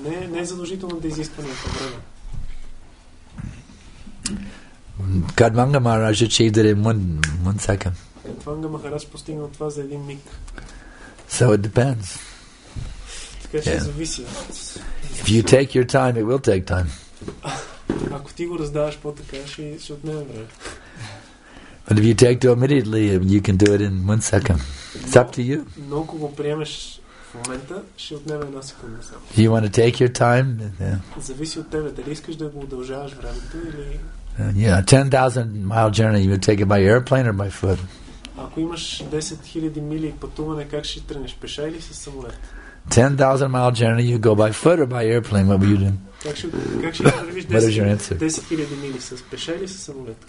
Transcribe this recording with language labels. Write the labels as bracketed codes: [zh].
[bg] Не е задължително да изисква някакво време. [en] Kadvanga Maharaj achieved it in one second. [bg] Kadvanga Maharaj постигнал това за един миг. [en] So it depends. [bg] Така че зависи. [en] If you take your time, it will take time. [bg] Ако ти го раздаваш по-така, ще отнеме време. [en] But if you take to immediately, you can do it in one second. It's up to you. [bg] Но ако го приемеш в момента, ще отнеме една секунда само. [en] You want to take your time? [bg] Зависи от тебе. Дали искаш да го удължаваш времето или... [en] Yeah, 10,000 mile journey, you would take it by airplane or by foot? [bg] Ако имаш 10 000 мили пътуване, как ще тръгнеш? Пеша или с самолет? [en] 10,000 mile journey, you go by foot or by airplane, what would you do? [bg] Как ще тръгнеш 10 000 мили с пеша или с самолет?